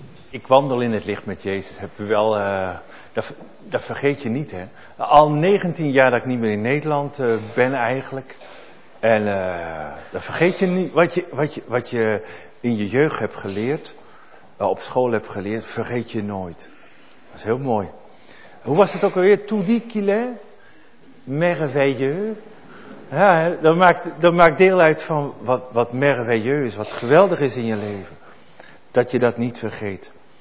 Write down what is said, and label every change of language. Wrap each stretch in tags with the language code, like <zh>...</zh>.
<nl>ik wandel in het licht met Jezus. Heb je wel, dat vergeet je niet, hè. Al 19 jaar dat ik niet meer in Nederland ben eigenlijk. En dat vergeet je niet. Wat je in je jeugd hebt geleerd, op school hebt geleerd, vergeet je nooit. Dat is heel mooi. Hoe was het ook alweer?</nl> <fr>Tout dit qu'il est merveilleux.</fr> <nl>Ja, dat maakt deel uit van wat merveilleux is, wat geweldig is in je leven. Dat je dat niet vergeet.</nl>